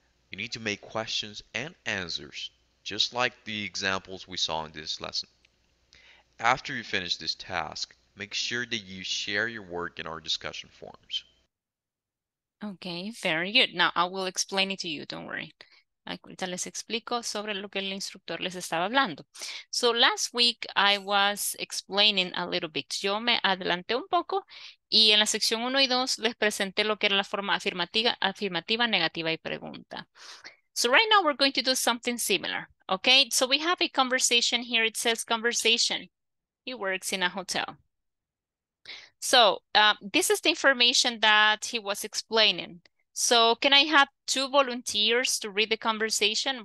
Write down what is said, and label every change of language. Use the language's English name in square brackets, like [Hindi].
[English] You need to make questions and answers, just like the examples we saw in this lesson. After you finish this task, make sure that you share your work in our discussion forums. Okay, very good. Now, I will explain it to you, don't worry. [Spanish] Ahorita les explico sobre lo que el instructor les estaba hablando. [English] So, last week, I was explaining a little bit. [Spanish] Yo me adelanté un poco y en la sección 1 y 2 les presenté lo que era la forma afirmativa, negativa y pregunta. [English] So, right now, we're going to do something similar. Okay, so we have a conversation here. It says conversation. He works in a hotel. So, this is the information that he was explaining. So, can I have two volunteers to read the conversation?